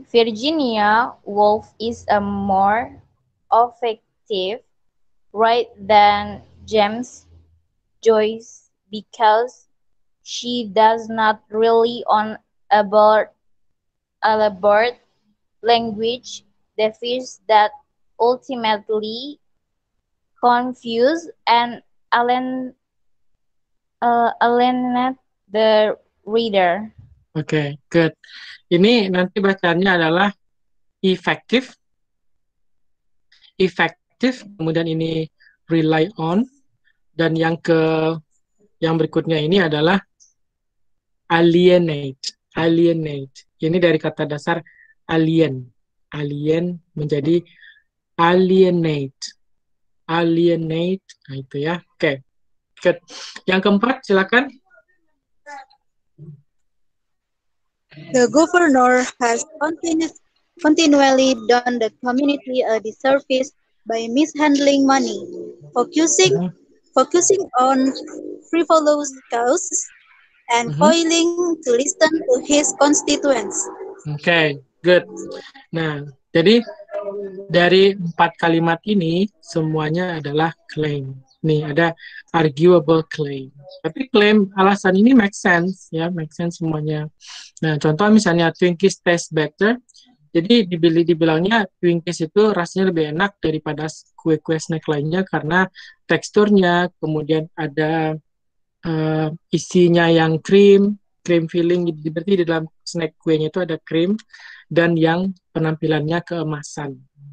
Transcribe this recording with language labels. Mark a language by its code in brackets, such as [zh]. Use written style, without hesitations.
[en] Virginia Woolf is a more effective writer than James Joyce because she does not rely on elaborate language devices that ultimately confuse and alienate the reader. Okay, good. [id] Ini nanti bacanya adalah effective, kemudian ini rely on, dan yang berikutnya ini adalah alienate. Ini dari kata dasar alien menjadi alienate, nah itu ya. Oke, good. Yang keempat, silakan. [en] The governor has continually done the community a disservice by mishandling money, focusing on frivolous causes, and failing to listen to his constituents. Okay, good. [id] Nah, jadi dari empat kalimat ini semuanya adalah claim. Nih ada arguable claim. Tapi claim alasan ini make sense ya, make sense semuanya. Nah, contoh misalnya [en] Twinkies taste better. [id] Jadi dibilangnya Twinkies itu rasanya lebih enak daripada kue-kue snack lainnya karena teksturnya, kemudian ada isinya yang cream filling, jadi berarti di dalam snack kuenya itu ada cream dan yang penampilannya keemasan.